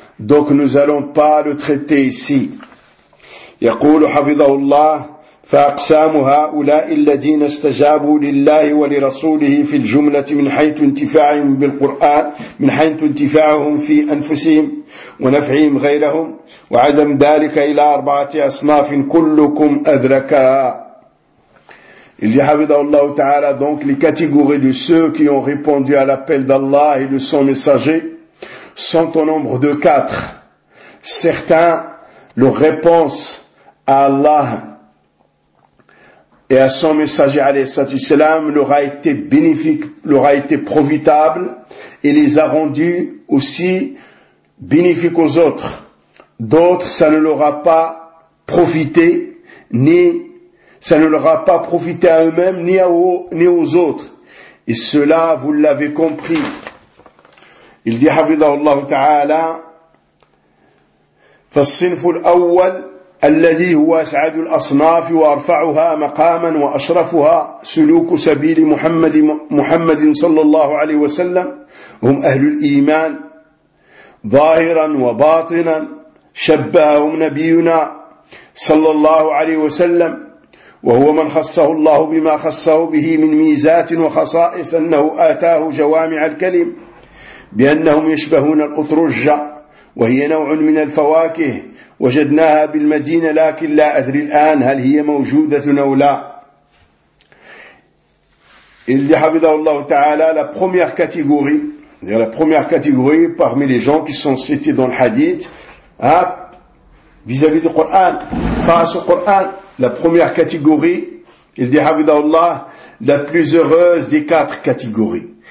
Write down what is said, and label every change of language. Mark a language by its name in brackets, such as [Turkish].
[French] Donc nous n'allons pas le traiter ici. [Arabic] يقول حفظه الله فأقسام هؤلاء الذين استجابوا لله ولرسوله في الجملة من حيث انتفاعهم بالقرآن من حيث انتفاعهم في أنفسهم ونفعهم غيرهم وعدم ذلك إلى أربعة أصناف كلكم أدركها. [French] Il dit, Habidallahu ta'ala, donc les catégories de ceux qui ont répondu à l'appel d'Allah et de son messager sont au nombre de quatre. Certains, leur réponse à Allah et à son messager, alayhi salam, leur a été bénéfique, leur a été profitable et les a rendus aussi bénéfiques aux autres. D'autres, ça ne leur a pas profité ni ça ne leur a pas profité à eux-mêmes ni aux autres. Et cela, vous l'avez compris. Il dit, [Arabic] Hafidhahullah ta'ala, فالصنف الأول الذي هو أسعد الأصناف وأرفعها مقاما وأشرفها سلوك سبيل محمد صلى الله عليه وسلم هم أهل الإيمان ظاهرا وباطنا شبههم نبينا صلى الله عليه وسلم وهو من خصه الله بما خصه به من ميزات وخصائص أنه آتاه جوامع الكلم بأنهم يشبهون الأطرجة وهي نوع من الفواكه وجدناها بالمدينة لكن لا أدري الآن هل هي موجودة أو لا. اللي حفظه الله تعالى [French] la première catégorie, c'est-à-dire la première catégorie parmi les gens qui sont cités dans le hadith, vis-à-vis du Coran, face au Coran. La première catégorie, il dit Habidallah, la plus heureuse des quatre catégories.